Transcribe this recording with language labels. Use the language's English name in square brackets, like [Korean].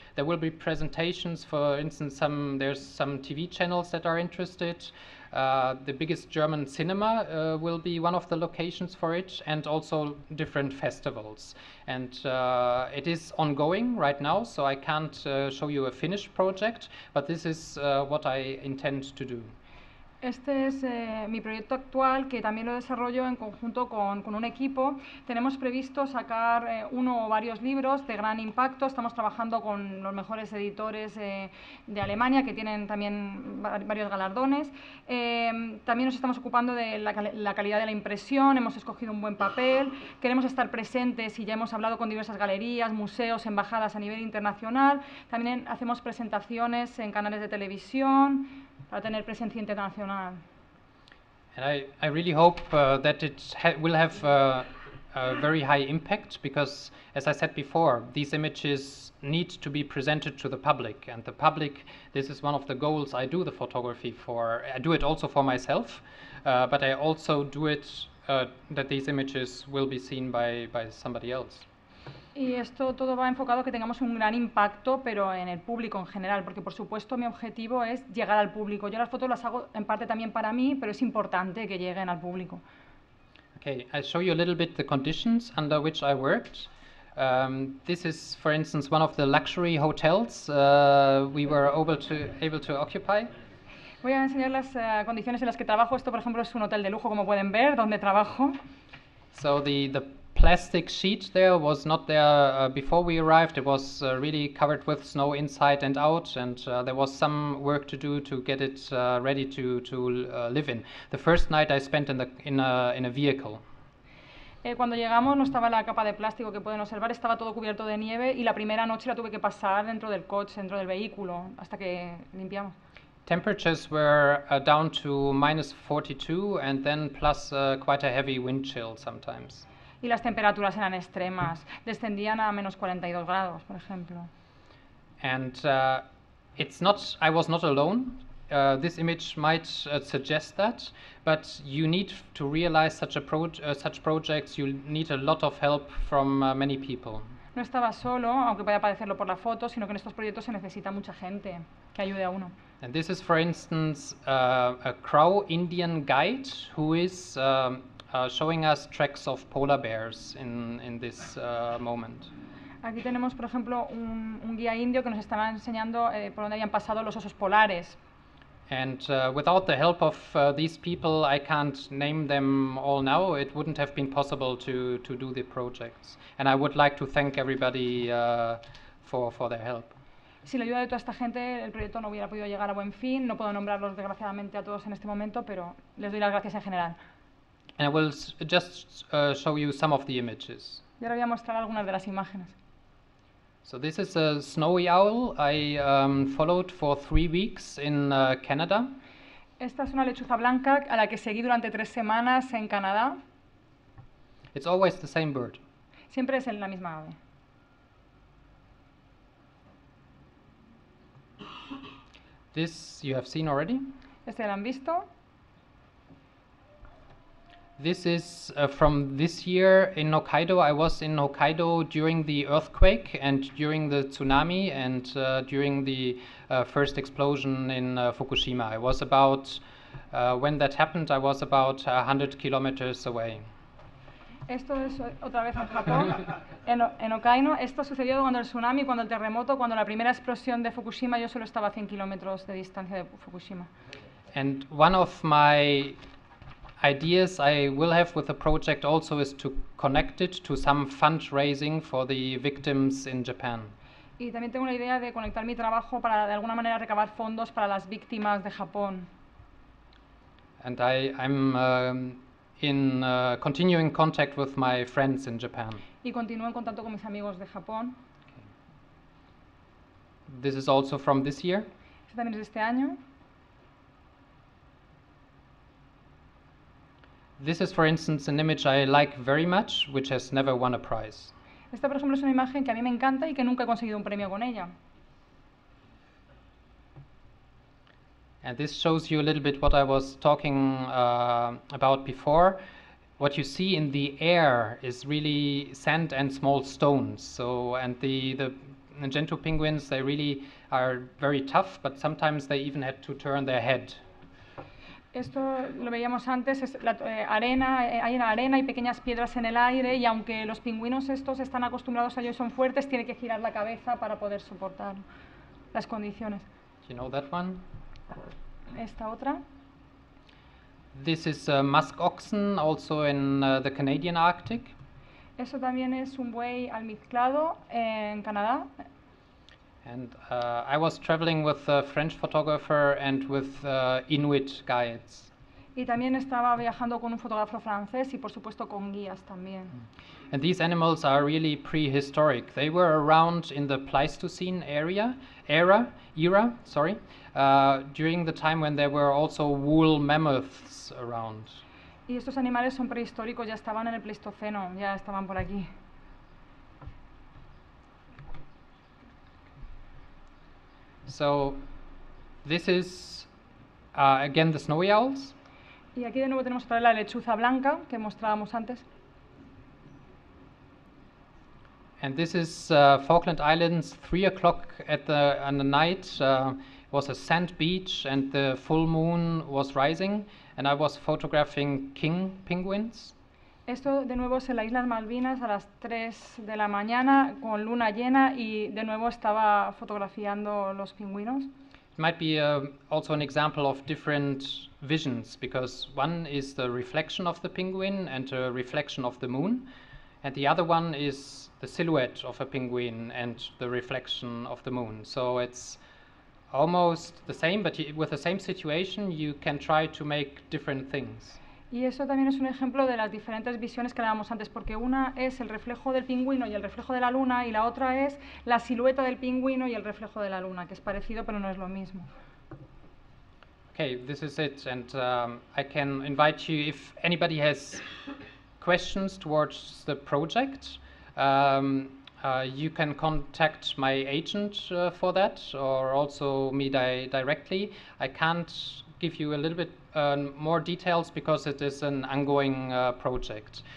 [English] There will be presentations, for instance, there's some TV channels that are interested. The biggest German cinema will be one of the locations for it, and also different festivals. And it is ongoing right now, so I can't show you a finished project, but this is what I intend to do. [Spanish] Este es mi proyecto actual, que también lo desarrollo en conjunto con un equipo. Tenemos previsto sacar uno o varios libros de gran impacto. Estamos trabajando con los mejores editores de Alemania, que tienen también varios galardones. También nos estamos ocupando de la calidad de la impresión. Hemos escogido un buen papel. Queremos estar presentes y ya hemos hablado con diversas galerías, museos, embajadas a nivel internacional. También hacemos presentaciones en canales de televisión. Para tener presencia internacional. [English] And I really hope that it will have a very high impact because, as I said before, these images need to be presented to the public. And the public, this is one of the goals I do the photography for. I do it also for myself, but I also do it that these images will be seen by somebody else. [Spanish] Y esto todo va enfocado a que tengamos un gran impacto, pero en el público en general, porque por supuesto mi objetivo es llegar al público. Yo las fotos las hago en parte también para mí, pero es importante que lleguen al público. [English] Okay, I'll show you a little bit the conditions under which I worked. This is, for instance, one of the luxury hotels we were able to occupy. [Spanish] Voy a enseñar las condiciones en las que trabajo. Esto, por ejemplo, es un hotel de lujo, como pueden ver, donde trabajo. [English] So the plastic sheet there was not there before we arrived. It was really covered with snow inside and out, and there was some work to do to get it ready to live in. The first night I spent in a vehicle. [Spanish] Cuando llegamos no estaba la capa de plástico que pueden observar, estaba todo cubierto de nieve, y la primera noche la tuve que pasar dentro del coche, dentro del vehículo, hasta que limpiamos. [English] Temperatures were down to minus 42 and then plus quite a heavy wind chill sometimes. [Spanish] Y las temperaturas eran extremas, descendían a menos 42 grados, por ejemplo. [English] And I was not alone. This image might suggest that, but you need to realize such projects, you need a lot of help from many people. [Spanish] No estaba solo, aunque vaya a parecerlo por la foto, sino que en estos proyectos se necesita mucha gente que ayude a uno. [English] And this is, for instance, a Crow Indian guide who is showing us tracks of polar bears in this moment. [Spanish] Aquí tenemos, por ejemplo, un guía indio que nos estaba enseñando por dónde habían pasado los osos polares. [English] And without the help of these people, I can't name them all now. It wouldn't have been possible to do the projects. And I would like to thank everybody for their help. [Spanish] Sin la ayuda de toda esta gente, el proyecto no hubiera podido llegar a buen fin. No puedo nombrarlos desgraciadamente a todos en este momento, pero les doy las gracias en general. [English] And I will just show you some of the images. [Spanish] Ya le voy a mostrar algunas de las imágenes. [English] So this is a snowy owl I followed for 3 weeks in Canada. [Spanish] Esta es una lechuza blanca a la que seguí durante 3 semanas en Canadá. [English] It's always the same bird. [Spanish] Siempre es la misma ave. [English] This you have seen already. [Spanish] Este lo han visto. [English] This is from this year in Hokkaido. I was in Hokkaido during the earthquake and during the tsunami and during the first explosion in Fukushima. I was about, when that happened, I was about 100 kilometers away. [Spanish] Esto es otra vez en Japón, en Hokkaido. Esto sucedió cuando el tsunami, cuando el terremoto, cuando la primera explosión de Fukushima, yo solo estaba a 100 kilómetros de distancia de Fukushima. [English] And one of my ideas I will have with the project also is to connect it to some fundraising for the victims in Japan. [Spanish] Y también tengo la idea de conectar mi trabajo para de alguna manera recabar fondos para las víctimas de Japón. [English] And I'm in continuing contact with my friends in Japan. [Spanish] Y continúo en contacto con mis amigos de Japón. [English] Okay. This is also from this year. [Spanish] Este también es de este año. [English] This is, for instance, an image I like very much, which has never won a prize. [Spanish] Esta, por ejemplo, es una imagen que a mí me encanta y que nunca he conseguido un premio con ella. [English] And this shows you a little bit what I was talking about before. What you see in the air is really sand and small stones. So, and the gentoo penguins, they really are very tough, but sometimes they even had to turn their head. [Spanish] Esto lo veíamos antes, es la arena, hay una arena y pequeñas piedras en el aire, y aunque los pingüinos estos están acostumbrados a ello y son fuertes, tiene que girar la cabeza para poder soportar las condiciones. [English] You know that one? [Spanish] Esta otra. [English] This is a musk oxen, also in the Canadian Arctic. [Spanish] Eso también es un buey almizclado en Canadá. [English] And I was traveling with a French photographer and with Inuit guides. [Spanish] Y también estaba viajando con un fotógrafo francés y, por supuesto, con guías también. [English] And these animals are really prehistoric. They were around in the Pleistocene era, during the time when there were also wool mammoths around. [Spanish] Y estos animales son prehistóricos, ya estaban en el Pleistoceno, ya estaban por aquí. [English] So, this is again the snowy owls. [Spanish] Y aquí de nuevo tenemos otra vez la lechuza blanca que mostrábamos antes. [English] And this is Falkland Islands, 3 o'clock on the night. It was a sand beach, and the full moon was rising, and I was photographing king penguins. [Spanish] Esto de nuevo es en las Islas Malvinas a las 3 de la mañana con luna llena y de nuevo estaba fotografiando los pingüinos. [English] It might be also an example of different visions because one is the reflection of the penguin and a reflection of the moon, and the other one is the silhouette of a penguin and the reflection of the moon. So it's almost the same, but with the same situation you can try to make different things. [Spanish] Y eso también es un ejemplo de las diferentes visiones que hablábamos antes, porque una es el reflejo del pingüino y el reflejo de la luna, y la otra es la silueta del pingüino y el reflejo de la luna, que es parecido pero no es lo mismo. [English] Okay, this is it, and I can invite you, if anybody has questions towards the project, you can contact my agent for that, or also me directly. I can't give you a little bit more details because it is an ongoing project.